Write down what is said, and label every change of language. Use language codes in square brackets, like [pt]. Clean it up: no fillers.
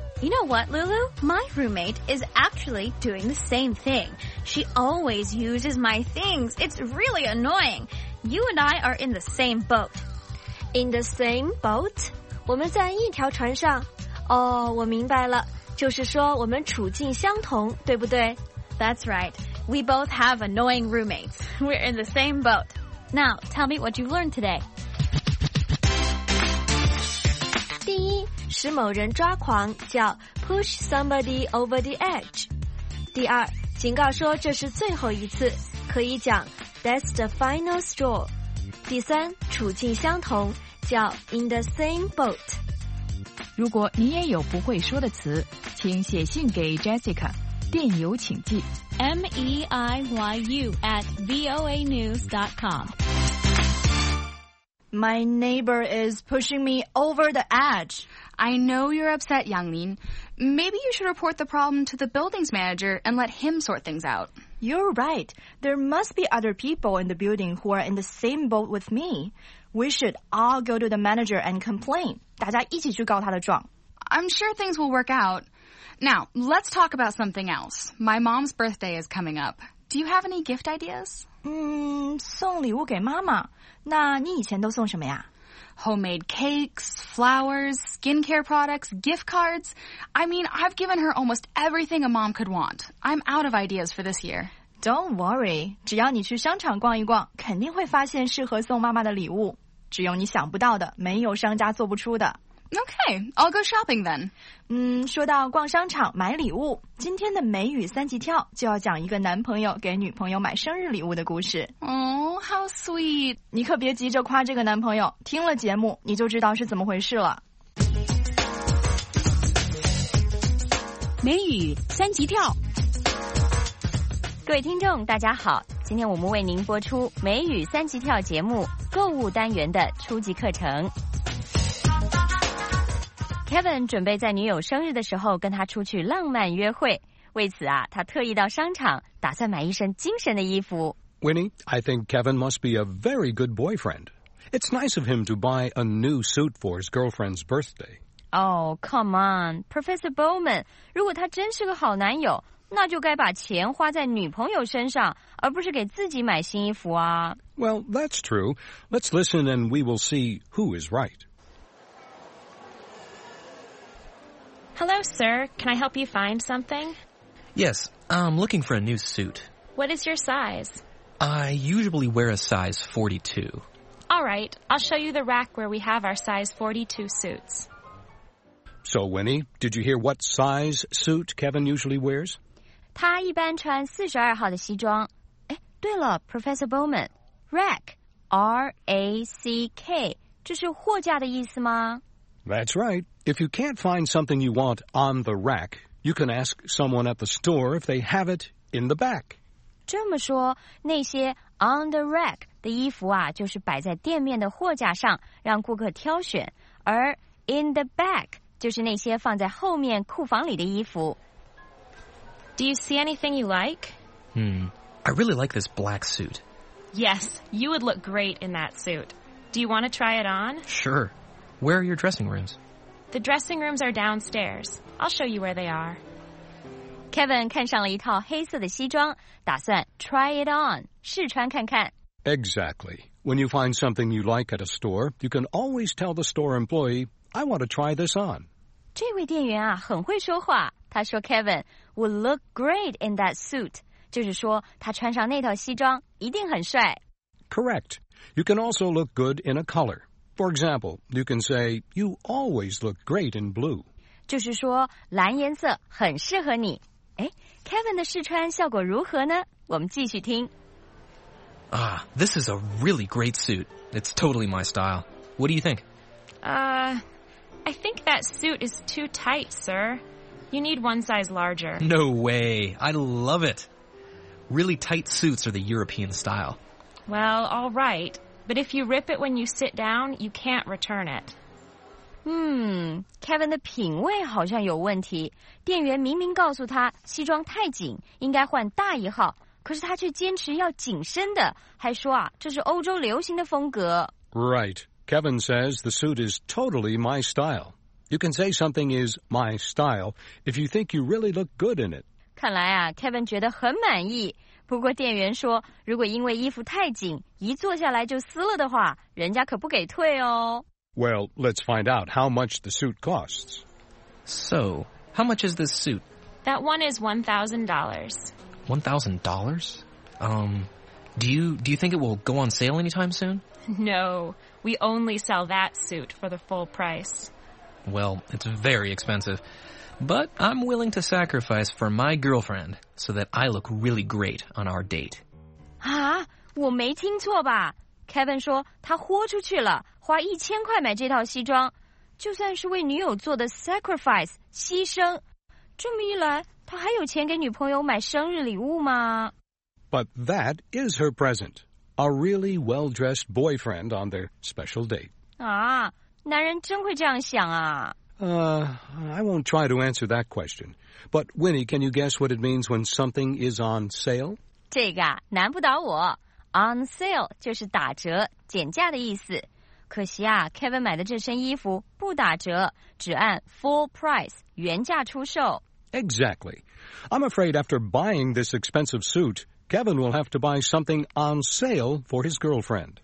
[en] You know what, Lulu? My roommate is actually doing the same thing. She always uses my things. It's really annoying. You and I are in the same boat. In the same boat? [zh] 我们在一条船上。哦，我明白了。就是说我们处境相同，对不对？ [en] That's right. We both have annoying roommates. We're in the same boat. Now, tell me what you've learned today. [zh] 第一，使某人抓狂叫 [en] push somebody over the edge. [zh] 第二，警告说这是最后一次，可以讲 [en] that's the final straw. [zh] 第三，处境相同叫 [en] in the same boat. [zh] 如果你也有不会说的词，请写信给 Jessica， 电邮请寄 [en] meiyu@voanews.com。 My neighbor is pushing me over the edge. I know you're upset, Yangmin. Maybe you should report the problem to the buildings manager and let him sort things out. You're right. There must be other people in the building who are in the same boat with me. We should all go to the manager and complain. [zh] 大家一起去告他的状。 [en] I'm sure things will work out. Now, let's talk about something else. My mom's birthday is coming up. Do you have any gift ideas? [zh] 送礼物给妈妈。那你以前都送什么呀？ [en] Homemade cakes, flowers, skincare products, gift cards. I mean, I've given her almost everything a mom could want. I'm out of ideas for this year. Don't worry. [zh] 只要你去商场逛一逛，肯定会发现适合送妈妈的礼物。只有你想不到的，没有商家做不出的。 [en] Okay, I'll go shopping then. [zh] 说到逛商场买礼物，今天的美语三级跳就要讲一个男朋友给女朋友买生日礼物的故事。 [en] Oh, how sweet. [zh] 你可别急着夸这个男朋友，听了节目你就知道是怎么回事了。美语三级跳。各位听众大家好，今天我们为您播出美语三级跳节目购物单元的初级课程。 Kevin 准备在女友生日的时候跟她出去浪漫约会，为此啊，他特意到商场打算买一身精神的衣服。 [en] Winnie, I think Kevin must be a very good boyfriend. It's nice of him to buy a new suit for his girlfriend's birthday. Oh, come on, [zh] Professor Bowman, 如果他真是个好男友，那就该把钱花在女朋友身上，而不是给自己买新衣服啊。 [en] Well, that's true. Let's listen and we will see who is right. Hello, sir. Can I help you find something? Yes, I'm looking for a new suit. What is your size? I usually wear a size 42. All right, I'll show you the rack where we have our size 42 suits. So, Winnie, did you hear what size suit Kevin usually wears? [zh] 他一般穿42号的西装。对了 ,Professor Bowman, rack, R-A-C-K, 这是货架的意思吗？ [en] That's right. If you can't find something you want on the rack, you can ask someone at the store if they have it in the back. [zh] 这么说，那些 [en] on the rack [zh] 的衣服啊，就是摆在店面的货架上，让顾客挑选。而 [en] in the back [zh] 就是那些放在后面库房里的衣服。 [en] Do you see anything you like? I really like this black suit. Yes, you would look great in that suit. Do you want to try it on? Sure. Where are your dressing rooms? The dressing rooms are downstairs. I'll show you where they are. [zh] Kevin 看上了一套黑色的西装，打算 [en] try it on, [zh] 试穿看看。 [en] Exactly. When you find something you like at a store, you can always tell the store employee, I want to try this on. [zh] 这位店员啊，很会说话。他说 [en] Kevin would look great in that suit. [zh] 就是说他穿上那套西装一定很帅。 [en] Correct. You can also look good in a color. For example, you can say, you always look great in blue. [zh] 就是说蓝颜色很适合你。Kevin 的试穿效果如何呢？我们继续听。 [en] This is a really great suit. It's totally my style. What do you think? I think that suit is too tight, sir. You need one size larger. No way. I love it. Really tight suits are the European style. Well, all right. But if you rip it when you sit down, you can't return it. [zh] Kevin 的品味好像有问题。店员明明告诉他西装太紧，应该换大一号，可是他却坚持要紧身的，还说啊，这是欧洲流行的风格。 [en] Right. Kevin says the suit is totally my style. You can say something is my style if you think you really look good in it. [zh] 看来啊 ,Kevin 觉得很满意。不过店员说，如果因为衣服太紧，一坐下来就撕了的话，人家可不给退哦。 [en] Well, let's find out how much the suit costs. So, how much is this suit? That one is $1,000. $1,000? Do you think it will go on sale anytime soon? No, we only sell that suit for the full price. Well, it's very expensive. But I'm willing to sacrifice for my girlfriend so that I look really great on our date. [zh] 啊，我没听错吧？ Kevin 说他豁出去了，花1000块买这套西装，就算是为女友做的 sacrifice 牺牲。这么一来，他还有钱给女朋友买生日礼物吗？ [en] But that is her present, a really well-dressed boyfriend on their special date. [zh] 啊，男人真会这样想啊。 [en] I won't try to answer that question. But, Winnie, can you guess what it means when something is on sale? [zh] 这个啊，难不倒我。 [en] On sale [zh] 就是打折、减价的意思。可惜啊 ,Kevin 买的这身衣服不打折，只按 [en] full price, [zh] 原价出售。 [en] Exactly. I'm afraid after buying this expensive suit, Kevin will have to buy something on sale for his girlfriend.